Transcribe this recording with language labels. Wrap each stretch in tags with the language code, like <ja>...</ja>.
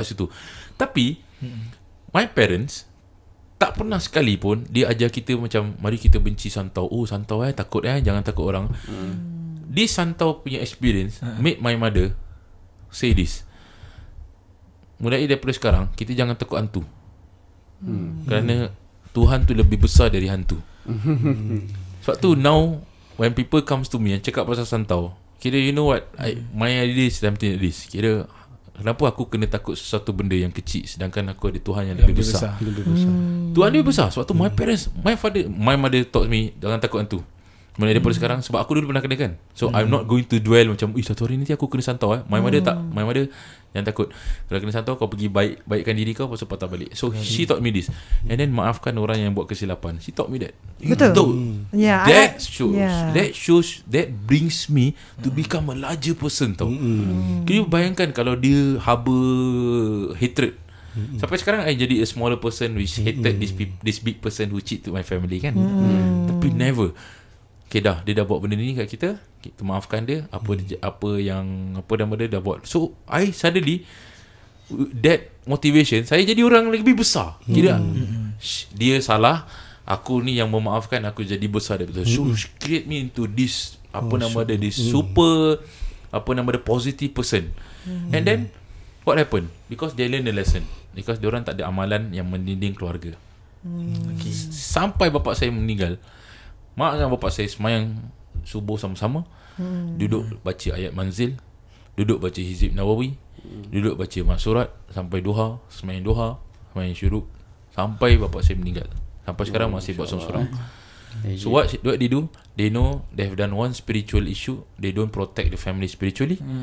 <ms>Kat situ. Tapi my parents tak pernah sekali pun dia ajar kita macam, mari kita benci santau. Oh santau takut jangan takut orang.</ms> <en>This santau punya experience made my mother say this,</en> <ms>mulai daripada sekarang kita jangan takut hantu. Kerana Tuhan tu lebih besar dari hantu. Sebab tu</ms> <en>now when people comes to me and cakap pasal santau, kira you know what, my idea is something like this.</en> <ms>Kira kenapa aku kena takut sesuatu benda yang kecil, sedangkan aku ada Tuhan yang lebih besar. Lebih besar. Tuhan lebih besar. Sebab tu my parents,</ms> <en>my father, my mother taught me</en> <ms>jangan takut hantu. Mulai daripada sekarang. Sebab aku dulu pernah kena kan.</ms> <en>So I'm not going to dwell</en> <ms>macam, ih, satu hari nanti aku kena santau eh. My mother tak, my mother jangan takut. Kalau kena santau, kau pergi baik, baikkan diri kau, pasal patah balik.</ms> <en>So she taught me this.</en> <ms>And then maafkan orang yang buat kesilapan.</ms> <en>She taught me that.</en> <ms>Betul.</ms> <en>So, that shows, that shows, that brings me to become a larger person tau.</en> <ms>Can you bayangkan kalau dia harbor hatred. Sampai sekarang I jadi</ms> <en>a smaller person which hated this big person who cheat to my family</en> <ms>kan. Tapi never. Okay dah, dia dah buat benda ni kat kita, kita maafkan dia. Apa apa yang apa nama dia dah buat. So I suddenly that motivation, saya jadi orang lebih besar. Kira dia salah, aku ni yang memaafkan, aku jadi besar dia.</ms> <en>So create me into this apa nama dia, this super apa nama dia, positive person. And then what happened? Because they learn the lesson.</en> <ms>Because diorang tak ada amalan yang mendinding keluarga.</ms> <en>Okay.</en> <ms>Sampai bapak saya meninggal, mak dan bapak saya semayang subuh sama-sama. Duduk baca ayat manzil, duduk baca hizib nawawi, duduk baca masurat, sampai duha, semayang syuruk, sampai bapak saya meninggal. Sampai sekarang masih buat seorang-seorang.</ms> <en>So what, what they do, they know they have done one spiritual issue, they don't protect the family spiritually.</en>